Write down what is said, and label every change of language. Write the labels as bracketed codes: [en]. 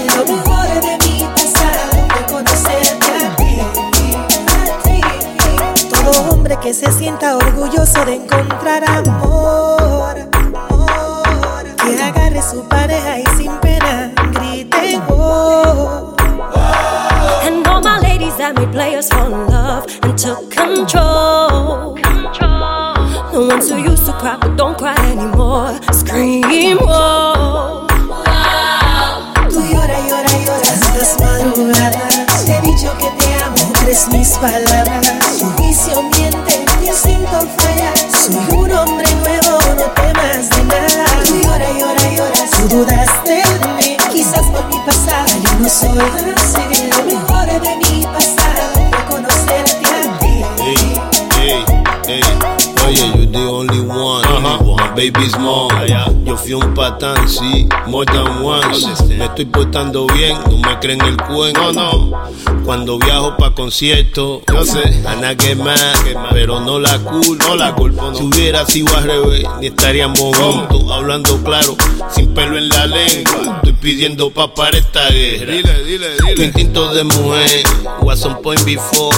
[es] Lo mejor de mi pasado fue conocerte a ti, a ti. Todo hombre que se sienta orgulloso de encontrar amor, amor, que agarre su pareja y sin pena grite oh. [en] And all my ladies that made players for love and took control. The ones who used to cry, but don't cry anymore. Scream, whoa. [es] Tú lloras, lloras, lloras. Tantas madrugadas. Te he dicho que te amo. No crees mis palabras. Tu juicio miente, mi instinto falla. Soy un hombre nuevo, no temas de nada. Tú lloras, lloras, lloras. Tú dudaste de mí. Quizás por mi pasado. Yo no soy así. Lo mejor de mi pasado fue conocerte a ti. Hey, hey, hey. [en] Yeah, you're the only one, uh-huh. My baby's mom, yeah. [es] Yo fui un patán, sí, [en] more than once. [es] Me estoy portando bien, no me creen el cuento, no. Cuando viajo pa' concierto, yo sé, Ana que más, pero no la culpo, no la culpo, no. Si hubiera sido al revés, ni estaríamos juntos. Hablando claro, sin pelo en la lengua. Estoy pidiendo pa' para esta guerra. Dile, dile, dile. Tu instinto de mujer, [en] was on point before,